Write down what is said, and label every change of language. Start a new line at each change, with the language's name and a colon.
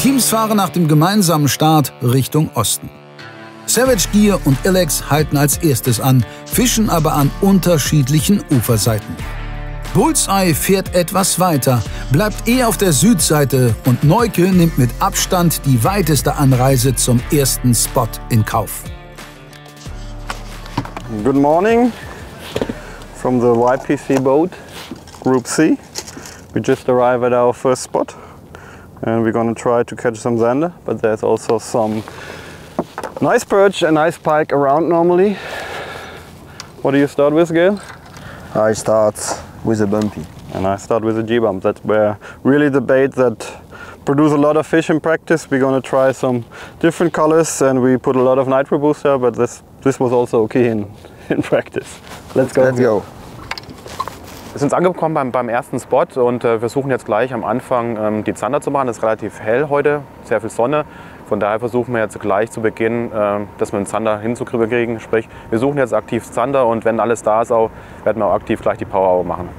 German: Fahren nach dem gemeinsamen Start Richtung Osten. Savage Gear und Ilex halten als erstes an, fischen aber an unterschiedlichen Uferseiten. Bullseye fährt etwas weiter, bleibt eher auf der Südseite und Neuke nimmt mit Abstand die weiteste Anreise zum ersten Spot in Kauf.
English: Good morning from the YPC boat, Group C. We just arrived at our first spot and we're gonna try to catch some Zander, but there's also some nice perch and nice pike around normally. What do you start with, Gail? I start with a bumpy. And I start with a G-bump. That's where really the bait that produce a lot of fish in practice. We're gonna try some different colors and we put a lot of nitro booster, but this was also okay in practice. Let's go.
German: Wir sind angekommen beim ersten Spot und versuchen jetzt gleich am Anfang die Zander zu machen. Es ist relativ hell heute, sehr viel Sonne. Von daher versuchen wir jetzt gleich zu Beginn, dass wir einen Zander hinzukriegen. Sprich, wir suchen jetzt aktiv Zander und wenn alles da ist, auch, werden wir auch aktiv gleich die Power Hour machen.